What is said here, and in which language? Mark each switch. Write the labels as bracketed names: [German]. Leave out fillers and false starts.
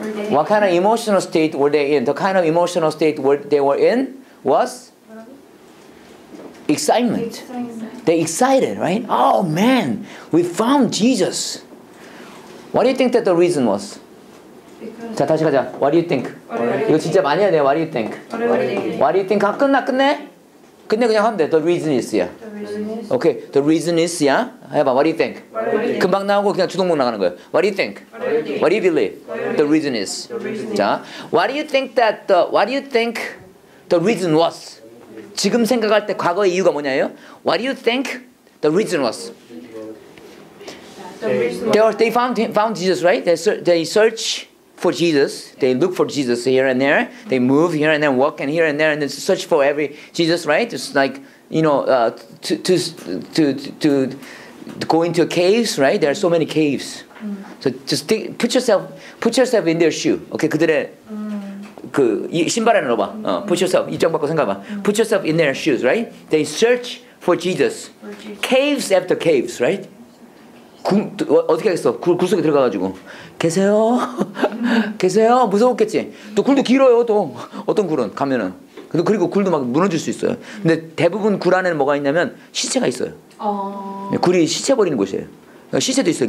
[English] What kind of emotional state were they in? The kind of emotional state they were in was excitement. They excited, right? Oh man, we found Jesus. What do you think that the reason was? [Korean] 자 다시 가자. [English] What do you think? [Korean] 이거 진짜 많이 해야 돼요. [English] What do you think? What do you think? [Korean] 끝내 그냥 하면 돼. [English] The reason is, yeah. Okay. The reason is, yeah. [Korean] 해봐. [English] What do you think? [Korean] 금방 나오고 그냥 주동목 나가는 거예요. [English] What do you think? What do you believe? The reason is. 자, what do you think that the What do you think the reason was? [Korean] 지금 생각할 때 과거의 이유가 뭐냐예요? [English] What do you think the reason was? They found Jesus, right? They search. For Jesus, they look for Jesus here and there. They move here and then walk and here and there, and then search for every Jesus, right? It's like you know, to go into caves, right? There are so many caves. So just think, put yourself in their shoe. [Korean] Okay, 그들의 그 신발 안에 넣어봐. [English] Put yourself [Korean] 입장 바꿔 생각해 봐. [English] Put yourself in their shoes, right? They search for Jesus, caves after caves, right? [Korean] 어떻게 하겠어? 굴 속에 들어가가지고 계세요? 무서웠겠지? 또 굴도 길어요 또 어떤 굴은 가면은 근데 그리고 굴도 막 무너질 수 있어요. 근데 대부분 굴 안에는 뭐가 있냐면 시체가 있어요. 굴이 시체 버리는 곳이에요. 시체도 있어요.